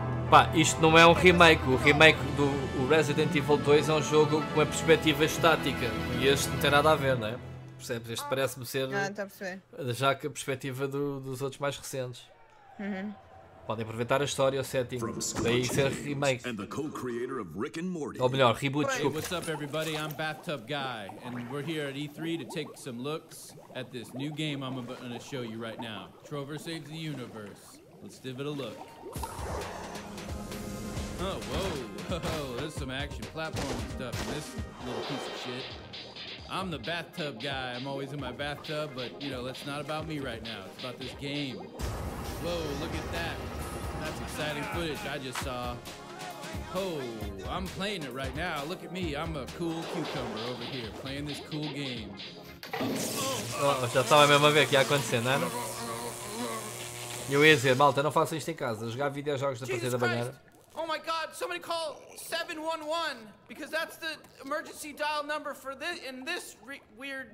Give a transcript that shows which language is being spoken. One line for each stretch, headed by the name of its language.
Portuguese: Pá, isto não é um remake. O remake do o Resident Evil 2 é um jogo com a perspectiva estática. E este não tem nada a ver, não é? Percebes? Este parece-me ser. Ah, está a perceber. Já que a perspectiva do, dos outros mais recentes. Uhum. Podem aproveitar a história, o setting, daí ser remake.
English: And the co-creator of Rick and Morty.
Portuguese: Ou melhor, reboot, desculpa.
English: Hey, what's up everybody? I'm Bathtub Guy. And we're here at E3 to take some looks at this new game I'm going to show you right now. Trover Saves the Universe. Let's give it a look. Oh, whoa. There's some action platform stuff in this little piece of shit. I'm the Bathtub Guy. I'm always in my bathtub, but, you know, that's not about me right now. It's about this game. Whoa, look at that. That's exciting footage I just saw. Oh, I'm playing it right now. Look at me. I'm a cool cucumber over here playing this cool game.
Portuguese: Oh, já estava a mesma ver o que ia acontecer, não era? E eu ia dizer, malta, não faça isto em casa. Jogar videojogos da partida da banheira.
English: Oh my god, somebody call 711 because that's the emergency dial number for this in this weird.